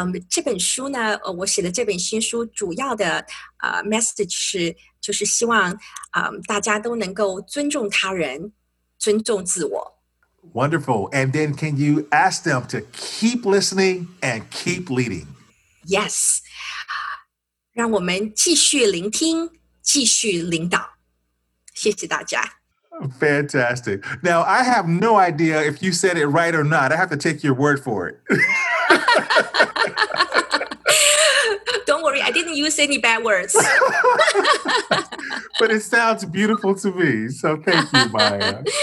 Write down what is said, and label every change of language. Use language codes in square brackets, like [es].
[zh] 这本书呢,我写的这本新书主要的message 是 就是希望，大家都能够尊重他人，尊重自我。 [en] Wonderful. And then can you ask them to keep listening and keep leading? Yes. [zh] 让我们继续聆听，继续领导。谢谢大家。 [en] Fantastic. Now, I have no idea if you said it right or not. I have to take your word for it. Don't worry, I didn't use any bad words. But it sounds beautiful to me. So thank you, Maya.